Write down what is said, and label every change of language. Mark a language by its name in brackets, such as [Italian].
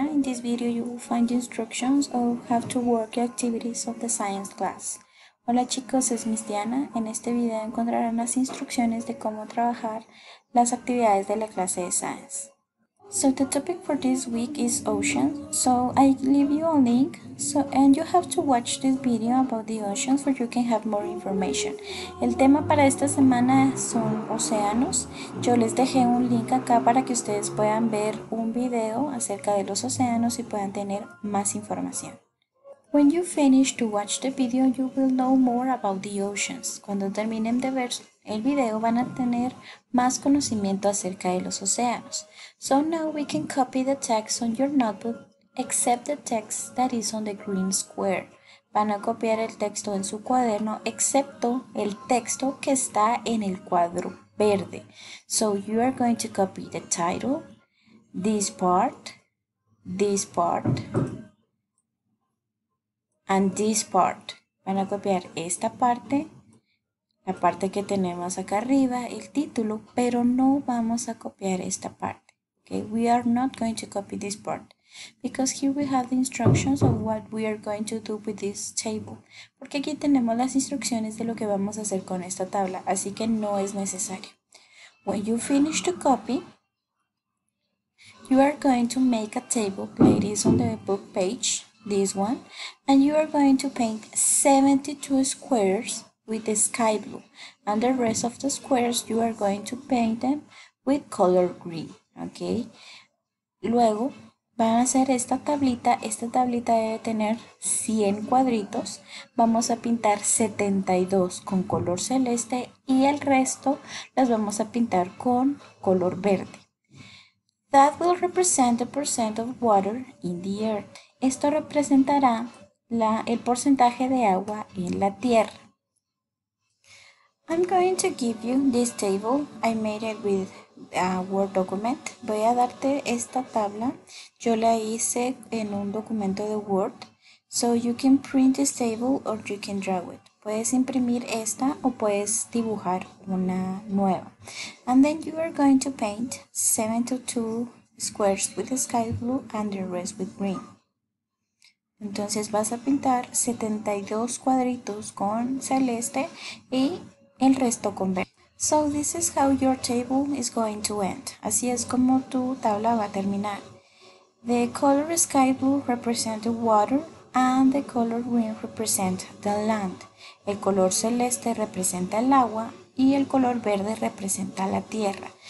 [English] In this video you will find instructions of how to work activities of the science class. [Spanish] Hola chicos, es Miss Diana. En este video encontrarán las instrucciones de cómo trabajar las actividades de la clase de science. [English] So the topic for this week is oceans. So I leave you a link, and you have to watch this video about the oceans where you can have more information. [Spanish] El tema para esta semana son océanos. Yo les dejé un link acá para que ustedes puedan ver un video acerca de los océanos y puedan tener más información. [English] When you finish to watch the video, you will know more about the oceans. [Spanish] Cuando terminen de ver el video, van a tener más conocimiento acerca de los océanos. [English] So now we can copy the text on your notebook, except the text that is on the green square. [Spanish] Van a copiar el texto en su cuaderno, excepto el texto que está en el cuadro verde. [English] So you are going to copy the title, this part, and this part. [Spanish] Van a copiar esta parte, la parte que tenemos acá arriba, el título, pero no vamos a copiar esta parte. [English] Okay? We are not going to copy this part because here we have the instructions of what we are going to do with this table. [Spanish] Porque aquí tenemos las instrucciones de lo que vamos a hacer con esta tabla, así que no es necesario. [English] When you finish to copy, you are going to make a table, it is on the book page, this one, and you are going to paint 72 squares with the sky blue, and the rest of the squares you are going to paint them with color green, okay? [Spanish] Luego van a hacer esta tablita debe tener 100 cuadritos, vamos a pintar 72 con color celeste y el resto las vamos a pintar con color verde. [English] That will represent the percent of water in the earth. [Spanish] Esto representará el porcentaje de agua en la tierra. [English] I'm going to give you this table. I made it with a Word document. [Spanish] Voy a darte esta tabla. Yo la hice en un documento de Word. [English] So you can print this table or you can draw it. [Spanish] Puedes imprimir esta o puedes dibujar una nueva. [English] And then you are going to paint 72 squares with the sky blue and the rest with green. [Spanish] Entonces vas a pintar 72 cuadritos con celeste y el resto con verde. [English] So this is how your table is going to end. [Spanish] Así es como tu tabla va a terminar. [English] The color sky blue represents the water and the color green represents the land. [Spanish] El color celeste representa el agua y el color verde representa la tierra.